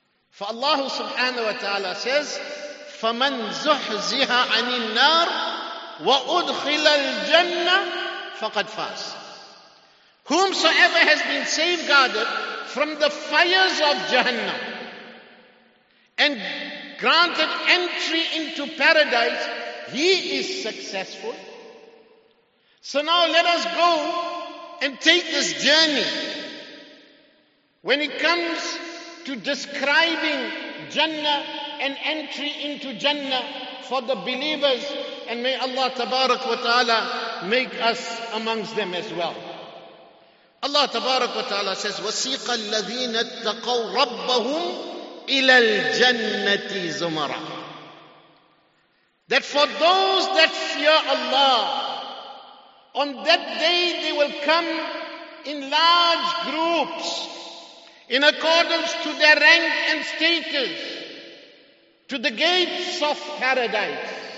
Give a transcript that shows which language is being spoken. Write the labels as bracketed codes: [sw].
[en] For Allah subhanahu wa ta'ala says, [ar] فَمَنْ زُحْزِهَا عَنِ النَّارِ وَأُدْخِلَ الْجَنَّةِ فَقَدْ فَازَ. [en] Whomsoever has been safeguarded from the fires of Jahannam and granted entry into paradise, he is successful. So now let us go and take this journey. When it comes to describing Jannah and entry into Jannah for the believers, and may Allah tabarak wa ta'ala make us amongst them as well. Allah tabarak wa ta'ala says, [ar] وَسِيقَ الَّذِينَ اتَّقَوْ رَبَّهُمْ إِلَى الْجَنَّةِ زُمَرًا. [en] That for those that fear Allah, on that day they will come in large groups, in accordance to their rank and status, to the gates of paradise.